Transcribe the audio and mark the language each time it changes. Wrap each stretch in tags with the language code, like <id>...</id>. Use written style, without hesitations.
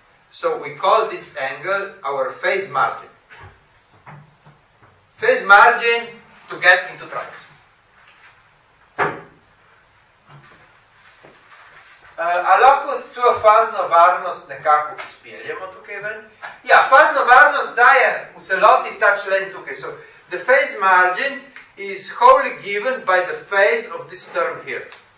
<en>So we call this angle our phase margin. Phase margin to get into trucks.</en> <sl>A lahko tu fazno varnost nekako izpeljemo tukaj ven? Ja, fazno varnost daje v celoti ta člen tukaj.</sl> <en>So the phase margin is wholly given by the phase of this term here.</en>